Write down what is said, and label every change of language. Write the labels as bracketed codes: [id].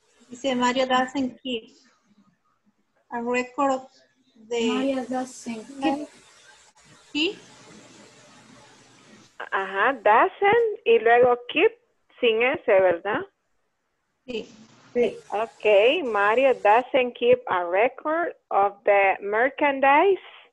[en] Dice Mario doesn't keep a record of the... Mario doesn't keep. [es] ¿Sí? Ajá, doesn't y luego keep sin S, ¿verdad? Sí. Sí. [en] Okay, Mario doesn't keep a record of the merchandise.